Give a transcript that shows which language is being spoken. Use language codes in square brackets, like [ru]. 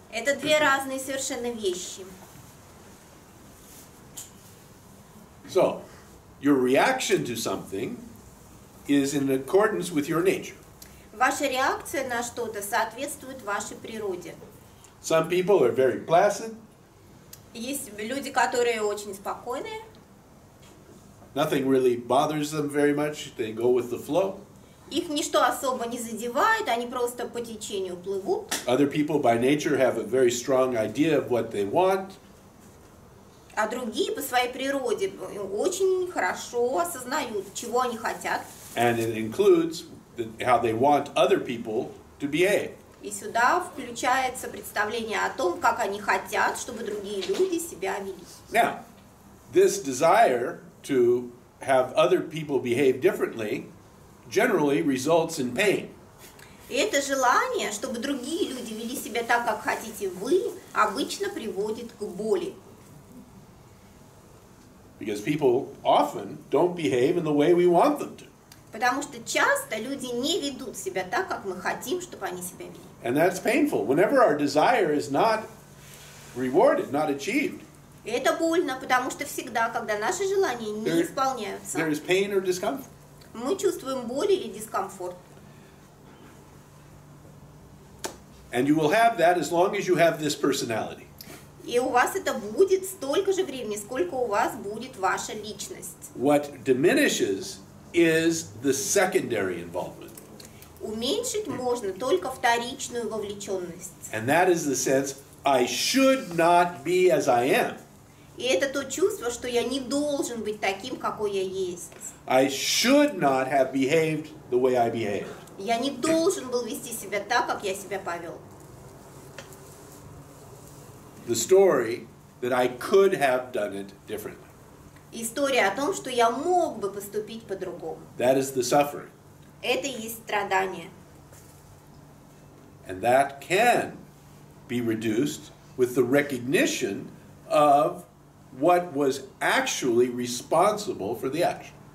[ru] Это две разные совершенно вещи. [en] So, your reaction to something is in accordance with your nature. [ru] Ваша реакция на что-то соответствует вашей природе. [en] Some people are very placid. [ru] Есть люди, которые очень спокойные. [en] Nothing really bothers them very much. They go with the flow. [ru] Их ничто особо не задевает, они просто по течению плывут. [en] Other people by nature have a very strong idea of what they want. [ru] А другие по своей природе очень хорошо осознают, чего они хотят. [en] And it includes how they want other people to behave. [ru] И сюда включается представление о том, как они хотят, чтобы другие люди себя вели. [en] Now, this desire to have other people behave differently generally results in pain. [ru] И это желание, чтобы другие люди вели себя так, как хотите вы, обычно приводит к боли. [en] Because people often don't behave in the way we want them to. [ru] Потому что часто люди не ведут себя так, как мы хотим, чтобы они себя вели. [en] And that's painful. Whenever our desire is not rewarded, not achieved. [ru] Это больно, потому что всегда, когда наши желания не исполняются. [en] There is pain or discomfort. [ru] Мы чувствуем боль или дискомфорт. [en] And you will have that as long as you have this personality. [ru] И у вас это будет столько же времени, сколько у вас будет ваша личность. [en] What diminishes is the secondary involvement. [ru] Уменьшить можно только вторичную вовлеченность. [en] And that is the sense I should not be as I am. [ru] И это то чувство, что я не должен быть таким, какой я есть. [en] I should not have behaved the way I behaved. [ru] Я не должен был вести себя так, как я себя повел. [en] The story that I could have done it differently. [ru] История о том, что я мог бы поступить по-другому. [en] That is the suffering. [ru] Это и есть страдание. [en] And that can be reduced with the recognition of what was actually responsible for the action.